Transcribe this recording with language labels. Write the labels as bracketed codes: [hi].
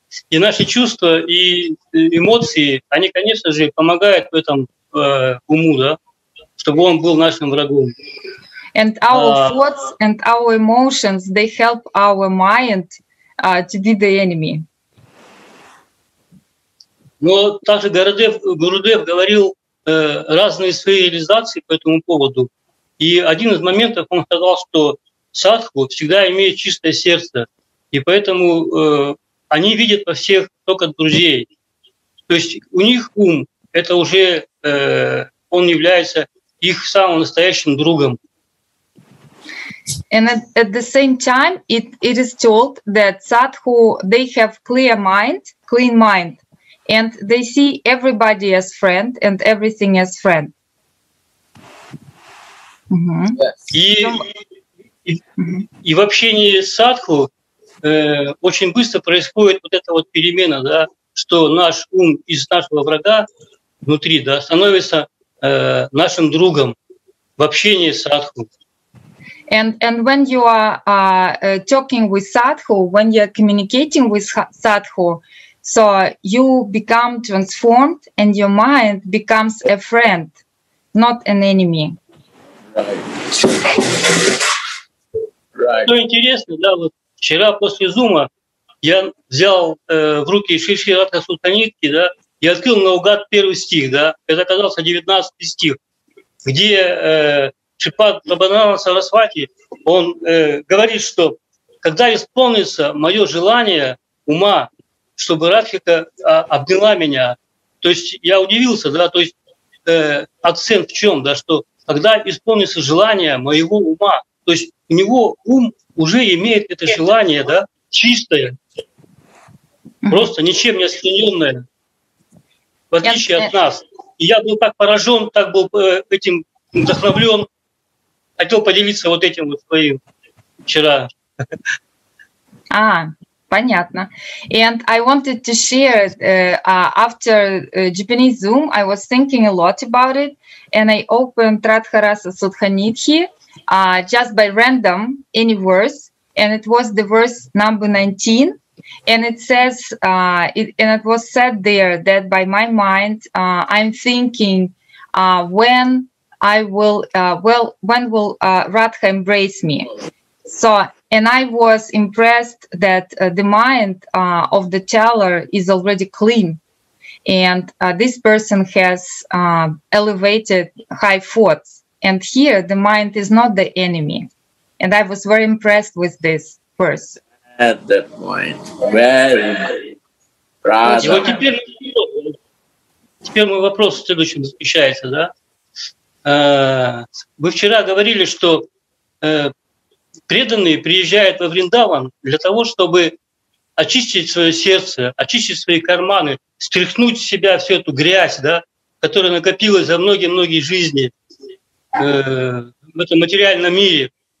[ru] И наши чувства и эмоции, они, конечно же, помогают в этом уму, да? Чтобы он был нашим врагом. [en] And our thoughts and our emotions, they help our mind to be the enemy. [ru] Но также Гурудев говорил разные свои реализации по этому поводу. И один из моментов он сказал, что садху всегда имеет чистое сердце. И поэтому они видят во всех только друзей. То есть у них ум, это уже он является их самым настоящим другом. [en] And at the same time, it is told that sadhu, they have clean mind, and they see everybody as friend and everything as friend. Mm-hmm. Yes. [ru] И в общении с садху очень быстро происходит вот эта вот перемена, да, что наш ум из нашего врага внутри, да, становится нашим другом в общении с садху. [en] And when you are talking with sadhu, when you are communicating with sadhu, so you become transformed and your mind becomes a friend, not an enemy. Right. [ru] Что интересно, да, вот вчера после зума я взял в руки Шри Шри Радха Сутанитки, да, и открыл наугад первый стих, да, это оказался 19 стих, где Шипад Рабанана Сарасвати, он говорит, что когда исполнится мое желание ума, чтобы Радхика обняла меня, то есть я удивился, да, то есть акцент в чем, да, что когда исполнится желание моего ума, то есть у него ум уже имеет это желание, да, чистое, просто ничем не осквернённое, в отличие от нас. И я был так поражен, так был этим вдохновлен. Хотел поделиться вот этим вот своим вчера. Понятно. [en] And I wanted to share after Japanese Zoom, I was thinking a lot about it, and I opened Radha Rasa Sudha Nidhi just by random any verse, and it was the verse number 19. And it says, and it was said there that by my mind, I'm thinking, when will Radha embrace me? So, and I was impressed that the mind of the teller is already clean, and this person has elevated high thoughts. And here, the mind is not the enemy. And I was very impressed with this verse. At that point, very brother. [ru] Вот теперь мой вопрос в следующем заключается, да? Вы вчера говорили, что преданные приезжают во Вриндаван для того, чтобы очистить свое сердце, очистить свои карманы, стряхнуть с себя всю эту грязь, да, которая накопилась за многие-многие жизни в этом материальном мире.